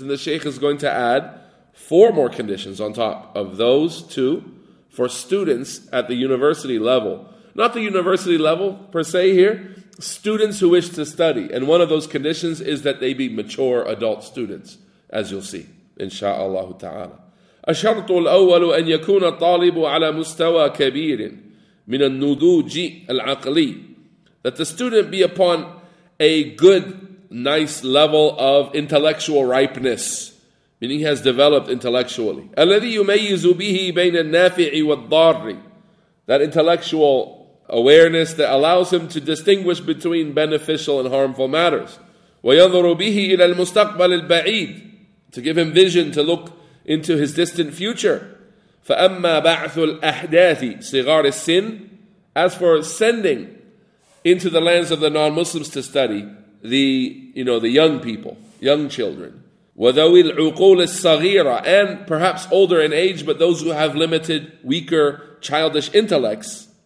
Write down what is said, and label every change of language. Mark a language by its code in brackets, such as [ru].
[en] And the Shaykh is going to add four more conditions on top of those two for students at the university level. Not the university level per se here, students who wish to study. And one of those conditions is that they be mature adult students, as you'll see, insha'Allah ta'ala. [ar] الشرط الأول أن يكون الطالب على مستوى كبير من النضوج العقلي. [en] That the student be upon a good, nice level of intellectual ripeness. Meaning he has developed intellectually. [ar] الذي يميز به بين النافع والضار. [en] That intellectual awareness that allows him to distinguish between beneficial and harmful matters. [ar] وينظر به إلى المستقبل البعيد. [en] To give him vision to look into his distant future. [ar] فَأَمَّا بَعْثُ الْأَحْدَاثِ صِغَارِ السِّنِ [en] As for sending into the lands of the non-Muslims to study, the young people, young children. [ar] وَذَوِي الْعُقُولِ الصَّغِيرَ [en] And perhaps older in age, but those who have limited, weaker, childish intellects.